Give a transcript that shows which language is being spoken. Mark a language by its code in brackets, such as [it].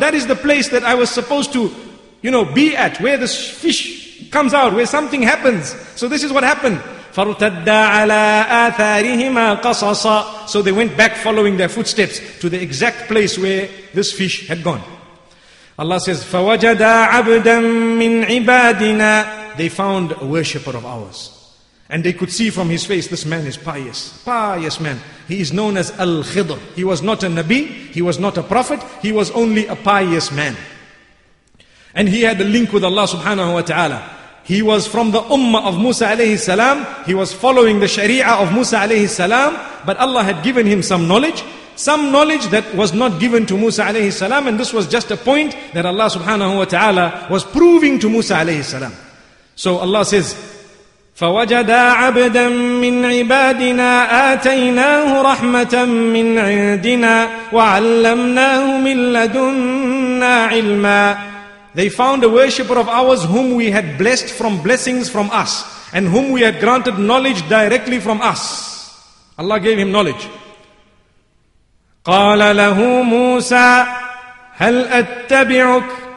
[en] That is the place that I was supposed to, you know, be at, where the fish comes out, where something happens. So this is what happened. [ar] فَارْتَدَّ عَلَىٰ آثَارِهِمَا قَصَصًا. [en] So they went back following their footsteps to the exact place where this fish had gone. Allah says, [ar] فَوَجَدَا عَبْدًا مِّنْ عِبَادِنَا. [en] They found a worshipper of ours. And they could see from his face, this man is pious. Pious man. He is known as Al-Khidr. He was not a Nabi. He was not a prophet. He was only a pious man. And he had a link with Allah subhanahu wa ta'ala. He was from the ummah of Musa alayhi salam. He was following the sharia of Musa alayhi salam. But Allah had given him some knowledge. Some knowledge that was not given to Musa alayhi salam. And this was just a point that Allah subhanahu wa ta'ala was proving to Musa alayhi salam. So Allah says, [ar] فَوَجَدَا عَبْدًا مِّنْ عِبَادِنَا آتَيْنَاهُ رَحْمَةً مِّنْ عِنْدِنَا وَعَلَّمْنَاهُ مِنْ لَدُنَّا عِلْمًا. [en] They found a worshipper of ours whom we had blessed from blessings from us, and whom we had granted knowledge directly from us. Allah gave him knowledge. [ar] قَالَ لَهُ مُوسَى هَلْ أَتَّبِعُكَ.